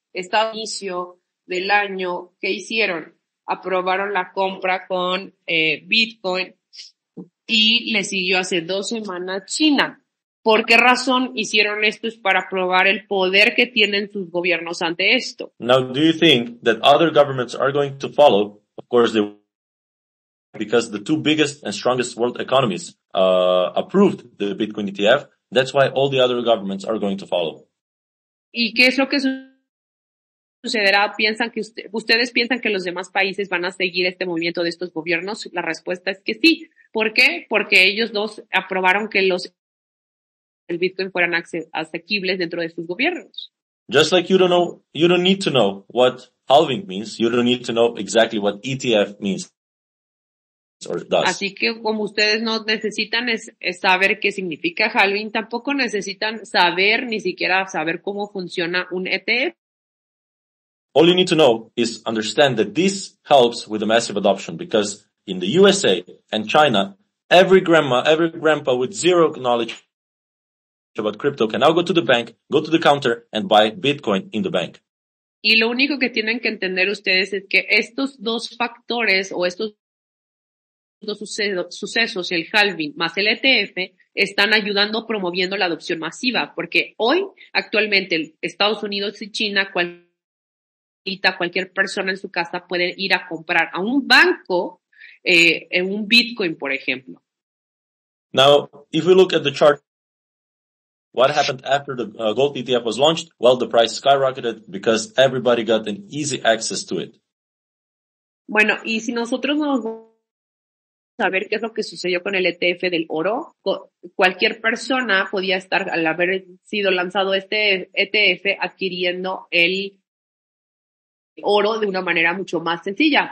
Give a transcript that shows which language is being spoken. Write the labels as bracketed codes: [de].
[es] Este inicio del año, ¿qué hicieron? Aprobaron la compra con Bitcoin y le siguió hace 2 semanas China. ¿Por qué razón hicieron esto? Es para probar el poder que tienen sus gobiernos ante esto. [en] Now, do you think that other governments are going to follow? Of course, they will. Because the two biggest and strongest world economies approved the Bitcoin ETF. That's why all the other governments are going to follow. [es] ¿Y qué es lo que sucederá? ¿Piensan que ustedes piensan que los demás países van a seguir este movimiento de estos gobiernos? La respuesta es que sí. ¿Por qué? Porque ellos dos aprobaron que los el Bitcoin fueran asequibles dentro de sus gobiernos. [en] Just like you don't need to know what halving means. You don't need to know exactly what ETF means. [es] Así que como ustedes no necesitan es saber qué significa halving, tampoco necesitan saber ni siquiera saber cómo funciona un ETF. [en] All you need to know is understand that this helps with the massive adoption because in the USA and China, every grandma, every grandpa with zero knowledge about crypto can now go to the bank, go to the counter and buy Bitcoin in the bank. [es] Y lo único que tienen que entender ustedes es que estos dos factores o estos dos sucesos, el halving más el ETF, están ayudando promoviendo la adopción masiva, porque hoy, actualmente, Estados Unidos y China, cualquier persona en su casa puede ir a comprar a un banco en un Bitcoin, por ejemplo. [en] Now, if we look at the chart, what happened after the gold ETF was launched? Well, the price skyrocketed because everybody got an easy access to it. [es] Bueno, y si nosotros nos a ver qué es lo que sucedió con el ETF del oro. Cualquier persona podía estar, al haber sido lanzado este ETF, adquiriendo el oro de una manera mucho más sencilla.